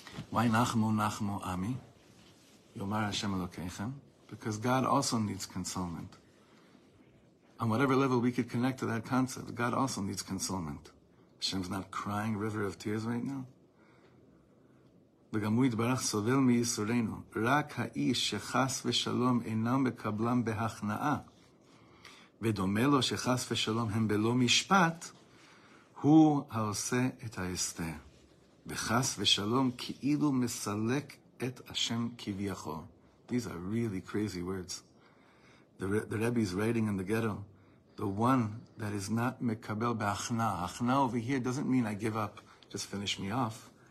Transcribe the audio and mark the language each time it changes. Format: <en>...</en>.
<he>Why Nachamu, Nachamu, Ami, Yomar HaShem HaLokechem?</he> <en>Because God also needs consolement. On whatever level we could connect to that concept, God also needs consolement. Hashem's not crying river of tears right now.</en> <he>וגם הוא יתברך סובל מייסורינו. רק האיש שחס ושלום אינם מקבלם בהכנעה, ודומה לו שחס ושלום הם בלא משפט, הוא העושה את ההסתר. וחס ושלום כאילו מסלק את השם כביכול.</he> <en>These are really crazy words. The Rebbe is writing in the ghetto, the one that is not</en> <he>מקבל בהכנעה.</he> <en>הכנעה over here doesn't mean I give up, just finish me off.</en>